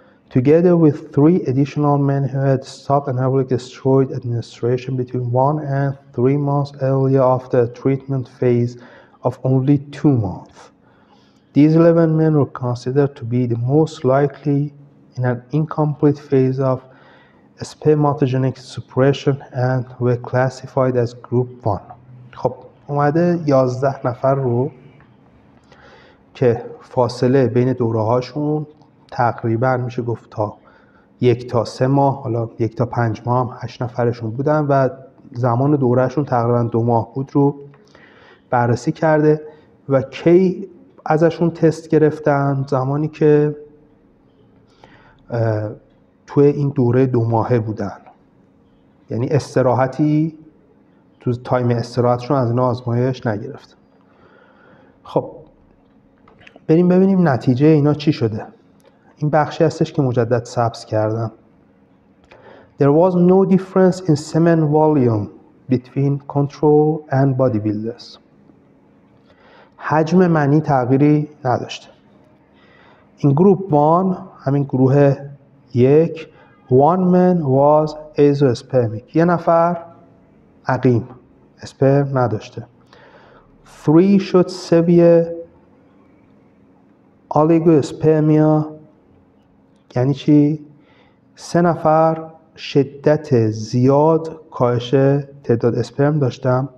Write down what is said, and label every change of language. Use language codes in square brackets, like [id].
[en] Together with 3 additional men who had stopped anabolic steroid administration between 1 and 3 months earlier after a treatment phase of only 2 months. These 11 men were considered to be the most likely in an incomplete phase of spermatogenic suppression and were classified as group 1. [fa] خب اومده 11 نفر رو که فاصله بین دوره‌هاشون تقریبا میشه گفت تا 1 تا 3 ماه، حالا 1 تا 5 ماه هم 8 نفرشون بودن و زمان دورهشون تقریبا 2 ماه بود رو بررسی کرده و کی ازشون تست گرفتن. زمانی که توی این دوره 2 ماهه بودن، یعنی استراحتی تو تایم استراحتشون از این آزمایش نگرفت. خب بریم ببینیم نتیجه اینا چی شده. این بخشی هستش که مجدد سبز کردم. [en] There was no difference in semen volume between control and bodybuilders. [fa] حجم منی تغییری نداشت. [en] In group 1، [fa] همین گروه 1، [en] one man was azoospermic، [fa] یه نفر عقیم اسپرم نداشته. [en] 3 showed severe oligospermia، [fa] یعنی چی؟ 3 نفر شدت زیاد کاهش تعداد اسپرم داشتم.